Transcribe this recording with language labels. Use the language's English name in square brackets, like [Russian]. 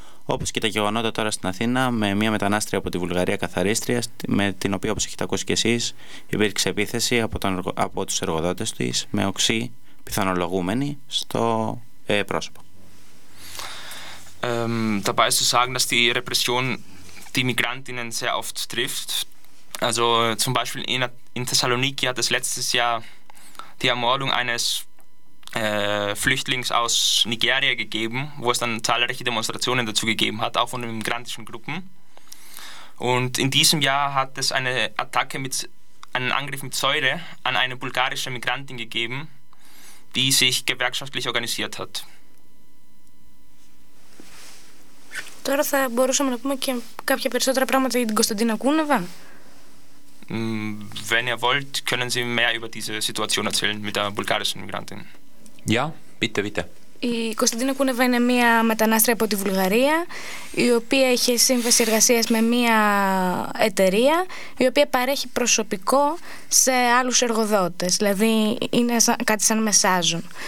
[Greek] όπως και τα γεγονότα τώρα στην Αθήνα με μια μετανάστρια από τη Βουλγαρία καθαρίστρια, με την οποία, όπως έχετε ακούσει και εσείς, υπήρξε επίθεση από τους εργοδότες της με οξύ πιθανολογούμενη στο πρόσωπο. [German] Dabei ist zu sagen, dass die Repression die Migrantinnen sehr oft trifft. Also zum Beispiel in Thessaloniki hat es letztes Jahr die Ermordung eines Flüchtlings aus Nigeria gegeben, wo es dann zahlreiche Demonstrationen dazu gegeben hat, auch von den migrantischen Gruppen. Und in diesem Jahr hat es einen Angriff mit Säure an eine bulgarische Migrantin gegeben, die sich gewerkschaftlich organisiert hat. [Greek] Τώρα θα μπορούσαμε να πούμε και κάποια περισσότερα πράγματα για την Κωνσταντίνα Κούνεβα. [German] Wenn ihr wollt, können Sie mehr über diese Situation erzählen mit der bulgarischen Migrantin. Ja, bitte, bitte. [Greek] Η Κωνσταντίνα Κούνεβα είναι μία μετανάστρια από τη Βουλγαρία, η οποία έχει σύμβαση εργασίας με μία εταιρεία, η οποία παρέχει προσωπικό σε άλλους εργοδότες. Δηλαδή, είναι κάτι σαν μεσάζον.